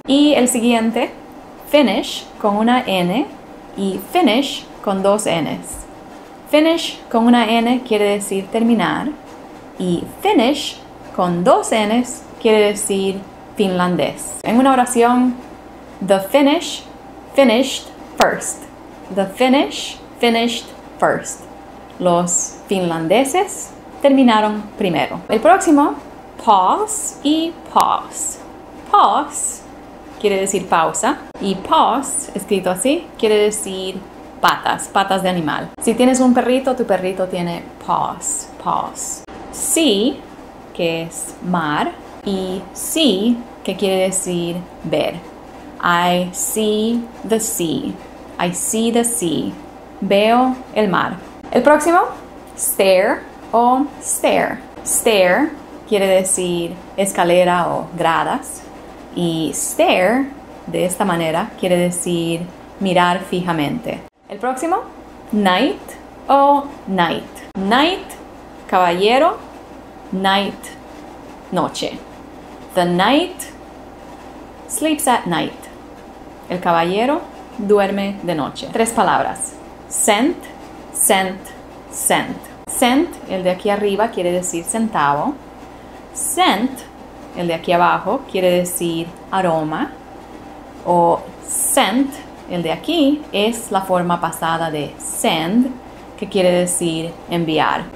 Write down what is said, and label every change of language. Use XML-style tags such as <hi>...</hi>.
<es>Y el siguiente, finish con una N y finish con dos N's. Finish con una N quiere decir terminar y finish con dos N's quiere decir finlandés. En una oración,</es> <en>the finish finished first. The finish finished first.</en> <es>Los finlandeses terminaron primero. El próximo, pause y pause. Pause quiere decir pausa y pause, escrito así, quiere decir patas, patas de animal. Si tienes un perrito, tu perrito tiene pause, pause. Sea, que es mar, y sea, que quiere decir ver.</es> <en>I see the sea. I see the sea.</en> <es>Veo el mar. El próximo, stare o stare. Stare quiere decir escalera o gradas. Y stare, de esta manera, quiere decir mirar fijamente. El próximo, knight o night. Knight, caballero. Night, noche.</es> <en>The knight sleeps at night.</en> <es>El caballero duerme de noche. Tres palabras. Cent, cent, cent. Cent, el de aquí arriba, quiere decir centavo. Scent, el de aquí abajo, quiere decir aroma. O sent, el de aquí, es la forma pasada de send, que quiere decir enviar.</es>